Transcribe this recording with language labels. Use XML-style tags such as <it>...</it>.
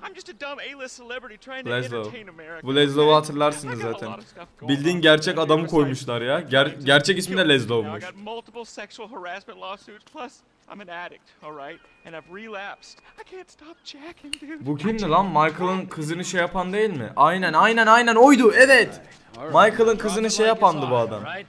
<en>I'm just a dumb A-list celebrity trying to entertain America.</en> <tr>Bu Leslow'u hatırlarsınız zaten. Bildiğin gerçek adamı koymuşlar ya. Gerçek ismi de Leslow'muş.</tr> <en>I've got multiple sexual harassment lawsuits plus I'm an addict, all right? And I've relapsed. I can't stop jacking, dude.</en> <tr>Bu kimdi lan? Michael'ın kızını şey yapan değil mi? Aynen, aynen, aynen oydu. Evet. Michael'ın kızını şey yapandı bu adam.</tr>